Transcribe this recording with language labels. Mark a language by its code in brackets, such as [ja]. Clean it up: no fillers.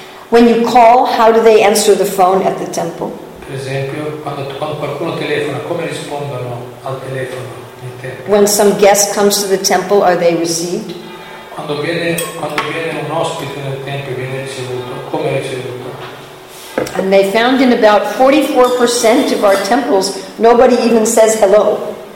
[en] When you call, how do they answer the phone at the temple? [it] Per esempio, quando qualcuno telefona, come rispondono al telefono nel tempio? [en] When some guest comes to the temple, are they received? [it] Quando viene un ospite nel tempio, viene ricevuto, come è ricevuto? [en] And they found in about 44% of our temples, nobody even says hello.